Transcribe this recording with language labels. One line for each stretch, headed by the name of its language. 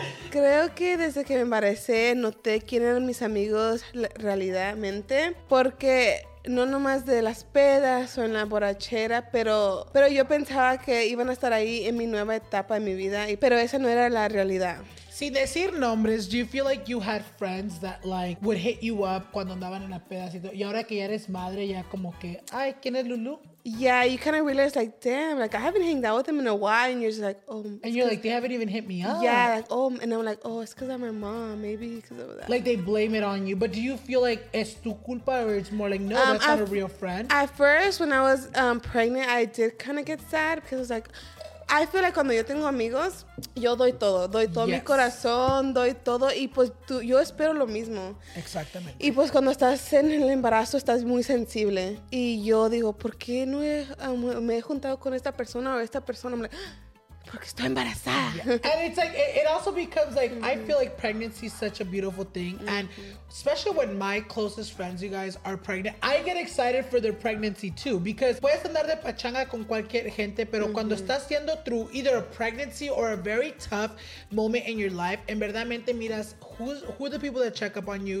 Spanish: Creo que desde que me embaracé, noté quién eran mis amigos realidadmente, porque no nomás de las pedas o en la borrachera, pero yo pensaba que iban a estar ahí en mi nueva etapa de mi vida, pero esa no era la realidad. Sin decir nombres,
English: do you feel like you had friends that like would hit you up
Spanish: cuando andaban en la peda? Y ahora que ya eres madre, ya como que, ay, ¿quién es Lulu?
English: Yeah, you kind of realize like, damn, like I haven't hanged out with them in a while, and you're just like, oh. And you're like, they haven't even hit me up. Yeah, like, oh, and I'm like, oh, it's because I'm my mom, maybe because of that. Like they blame it on you, but do you feel like
Spanish: es tu culpa,
English: or it's more like, no, that's not a real friend? At first, when I was pregnant, I did kind of get sad because I was like, I feel like
Spanish: cuando yo tengo amigos, yo doy todo
English: yes.
Spanish: mi corazón, doy todo, y pues tú, yo espero lo mismo. Exactamente. Y pues cuando estás en el embarazo, estás muy sensible. Y yo digo, ¿por qué no me he juntado con esta persona o esta persona? Me, porque estoy embarazada.
English: Yeah. And it's like, it also becomes like, mm-hmm. I feel like pregnancy is such a beautiful thing. Mm-hmm. And especially when my closest friends, you guys, are pregnant, I get excited for their pregnancy too. Because
Spanish: puedes andar de pachanga con cualquier gente, pero
English: mm-hmm.
Spanish: cuando estás yendo
English: through either a pregnancy or a very tough moment in your life,
Spanish: en verdaderamente miras
English: who are the people that check up on you.